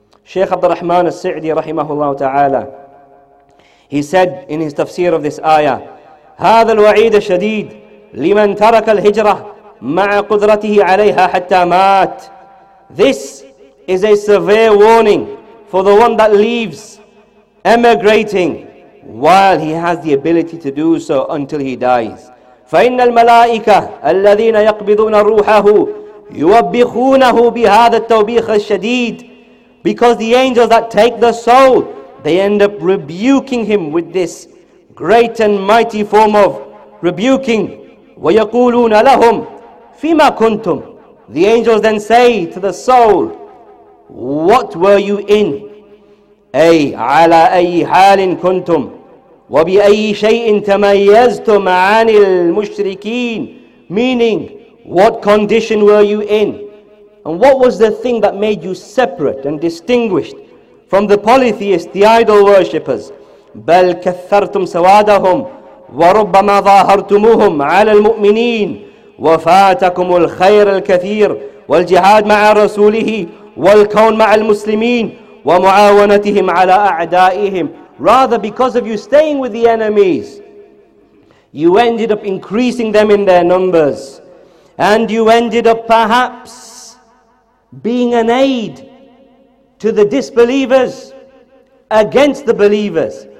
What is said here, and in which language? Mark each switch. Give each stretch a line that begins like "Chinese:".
English: Shaykh Abdul Rahman al-Sa'di, rahimahullah ta'ala, he said in his tafsir of this ayah,
Arabic: هذا الوعيد الشديد لمن ترك الهجرة مع قدرته عليها حتى مات.
English: This is a severe warning for the one that leaves emigrating while he has the ability to do so until he dies.
Arabic: فإن الملائكة الذين يقبضون روحه يوبخونه بهذا التوبيخ الشديد.
English: Because the angels that take the soul, they end up rebuking him with this great and mighty form of rebuking.
Arabic: ويقولون لهم فيما كنتم.
English: The angels then say to the soul, what were you in?
Arabic: أي على أي حال كنتم وبأي شيء تميزتم عن المشركين.
English: Meaning, what condition were you in? And what was the thing that made you separate and distinguished from the polytheists, the idol worshippers?
Arabic: بل كثرتم سوادهم وربما ظاهرتموهم على المؤمنين وفاتكم الخير الكثير والجهاد مع رسوله والكون مع المسلمين وَمُعَاوَنَتِهِمْ عَلَىٰ أَعْدَائِهِمْ.
English: Rather, because of you staying with the enemies, you ended up increasing them in their numbers. And you ended up perhaps being an aid to the disbelievers against the believers.